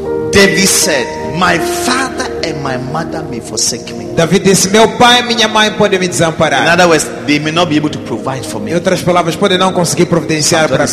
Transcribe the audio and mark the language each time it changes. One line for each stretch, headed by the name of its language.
English: David said, my father and my mother may forsake me.
Portuguese: David disse, meu pai e minha mãe podem me desamparar.
English: In other words, they may not be able to provide for me.
Portuguese: Em outras palavras, podem não conseguir providenciar para mim.